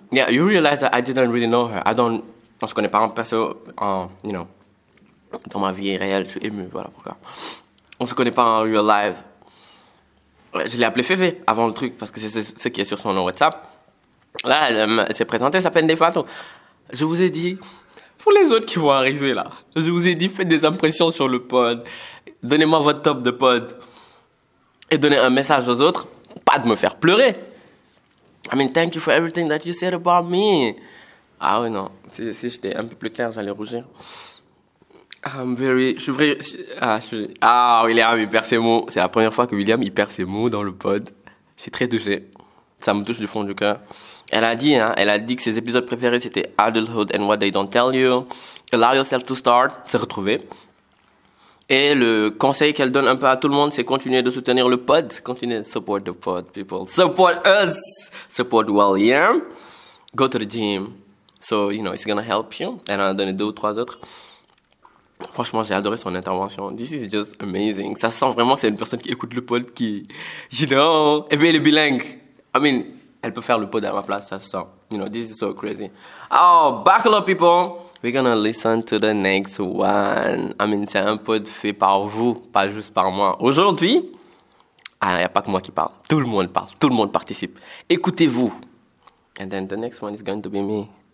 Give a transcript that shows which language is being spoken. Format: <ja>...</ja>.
<en>Yeah, you realize that I didn't really know her.</en> <fr>On se connaît pas en perso, dans ma vie réelle, je suis ému, voilà pourquoi. On se connaît pas en real life. Je l'ai appelée Fefe avant le truc parce que c'est ce qui est sur son nom WhatsApp. Là, elle s'est présentée, elle s'appelle Nefatu. Je vous ai dit, pour les autres qui vont arriver là, je vous ai dit, faites des impressions sur le pod. Donnez-moi votre top de pod. Et donner un message aux autres, pas de me faire pleurer.</fr> <en>I mean, thank you for everything that you said about me.</en> <fr>Ah oui, non, si j'étais un peu plus clair, j'allais rougir. Je suis vrai. Ah, William, il perd ses mots. C'est la première fois que William, il perd ses mots dans le pod. Je suis très touché. Ça me touche du fond du cœur. Elle a dit, hein, elle a dit que ses épisodes préférés, c'était Adulthood and What They Don't Tell You, Allow Yourself to Start, se retrouver. Et le conseil qu'elle donne un peu à tout le monde, c'est continuer de soutenir le pod. Continuer de</fr> <en>support the pod, people. Support us! Support William. Go to the gym. So, it's gonna help you.</en> <fr>Elle en a donné deux ou trois autres. Franchement, j'ai adoré son intervention.</fr> <en>This is just amazing.</en> <fr>Ça sent vraiment que c'est une personne qui écoute le pod, qui... Et bien, elle est bilingue. I mean, elle peut faire le pod à ma place, ça se sent.</fr> <en>This is so crazy. Oh, buckle up, people! We're gonna listen to the next one.</en> <fr>I mean, c'est un pod fait par vous, pas juste par moi. Aujourd'hui, ah, y a pas que moi qui parle. Tout le monde parle, tout le monde participe. Écoutez-vous.</fr> <en>And then the next one is going to be me.</en>